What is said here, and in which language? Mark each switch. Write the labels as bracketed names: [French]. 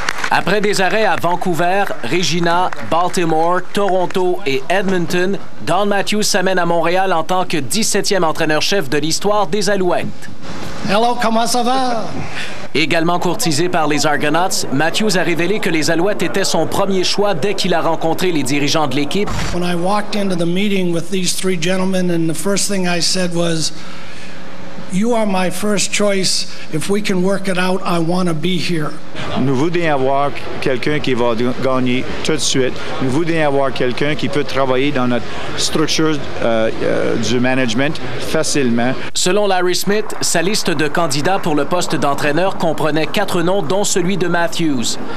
[French] Après des arrêts à Vancouver, Regina, Baltimore, Toronto et Edmonton, Don Matthews s'amène à Montréal en tant que 17e entraîneur-chef de l'histoire des Alouettes. Hello, comment ça va? Également courtisé par les Argonauts, Matthews a révélé que les Alouettes étaient son premier choix dès qu'il a rencontré les dirigeants de l'équipe. [English] When I walked into the meeting with these three gentlemen, and the first thing I said was, you are my first choice. If we can work it out, I want to be here. [French] Nous voudrions avoir quelqu'un qui va gagner tout de suite. Nous voudrions avoir quelqu'un qui peut travailler dans notre structure du management facilement. Selon Larry Smith, sa liste de candidats pour le poste d'entraîneur comprenait 4 noms, dont celui de Matthews.